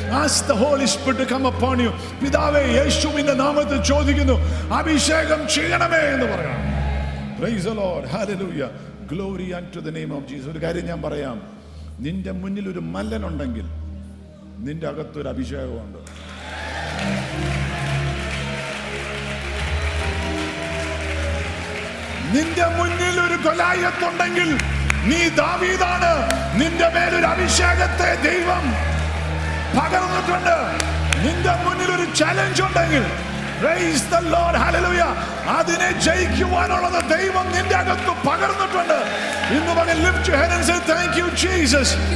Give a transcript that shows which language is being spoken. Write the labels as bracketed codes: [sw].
[en] Ask the Holy Spirit to come upon you. [ml] പിതാവേ, യേശുവിന്റെ നാമത്തിൽ ചോദിക്കുന്നു, അഭിഷേകം ചെയ്യണമേ എന്ന് പറയാം. [en] Praise the Lord. Hallelujah. Glory unto the name of Jesus. [ml] ഒരു കാര്യം ഞാൻ പറയാം, നിന്റെ മുന്നിൽ ഒരു മല്ലൻ ഉണ്ടെങ്കിൽ നിന്റെ അകത്തൊരു അഭിഷേകമുണ്ട്. നിന്റെ മുന്നിൽ ഒരു കൊലായത്തുണ്ടെങ്കിൽ നീ ദാവീദാണ്. നിന്റെ മേലൊരു അഭിഷേകത്തെ ദൈവം പകർന്നിട്ടുണ്ട്. നിന്റെ മുന്നിൽ ഒരു ചലഞ്ച് ഉണ്ടെങ്കിൽ, [en] Praise the Lord, hallelujah, [ml] അതിനെ ജയിക്കുവാനുള്ളത് ദൈവം നിന്റെ അകത്ത് പകർന്നിട്ടുണ്ട്. ഇന്ന് പറഞ്ഞ [en] lift your hand and say thank you Jesus.